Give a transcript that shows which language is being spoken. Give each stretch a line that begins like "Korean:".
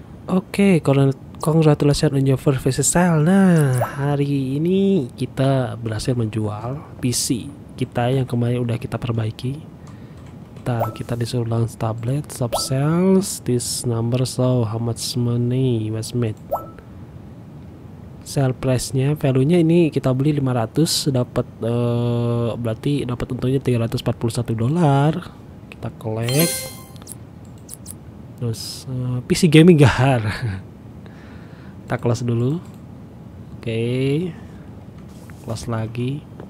English: Oke, congratulations on your first PC sale.
Indonesian: Nah, hari ini kita berhasil menjual PC kita yang kemarin udah kita perbaiki. Bentar, kita disuruh
English: launch tablet, stop sales, this number, so how much money was made.
Indonesian: Sale price-nya, value-nya ini kita beli 500, dapat berarti dapat untungnya $341. Kita collect. Terus PC gaming gahar. Kita close dulu. Oke. Okay. Close lagi.